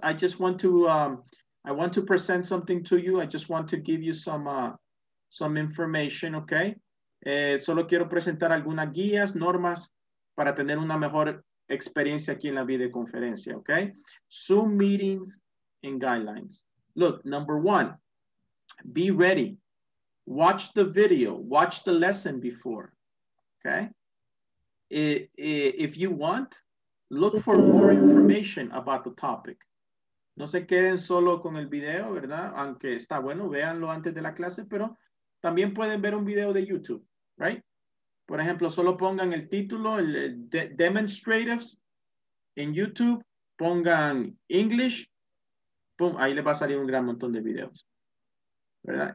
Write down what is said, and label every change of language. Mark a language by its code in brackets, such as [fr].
[en] I just want to present something to you. I just want to give you some information, okay? [es] Solo quiero presentar algunas guías, normas para tener una mejor experiencia aquí en la videoconferencia, okay? [en] Zoom meetings and guidelines. Look, number one, be ready. Watch the video, watch the lesson before, okay? If you want, look for more information about the topic. [es] No se queden solo con el video, ¿verdad? Aunque está bueno, véanlo antes de la clase, pero también pueden ver un video de YouTube, right? Por ejemplo, solo pongan el título, el demonstratives en YouTube, pongan English, pum, ahí les va a salir un gran montón de videos, ¿verdad?